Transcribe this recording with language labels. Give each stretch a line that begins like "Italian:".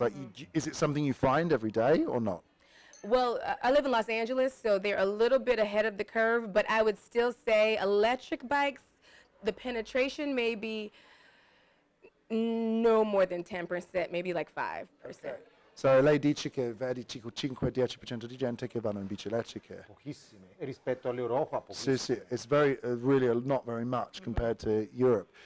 English: Like, is it something you find every day or not? Well, I live in Los Angeles, so they're a little bit ahead of the curve, but I would still say electric bikes, the penetration may be no more than 10%, maybe like 5%. Okay.
Italian: So lei dice che vedi circa 5-10% di gente che vanno in bici elettriche. Pochissime. E rispetto all'Europa, pochissime. Sì, sì.
English: It's very, really not very much compared to Europe.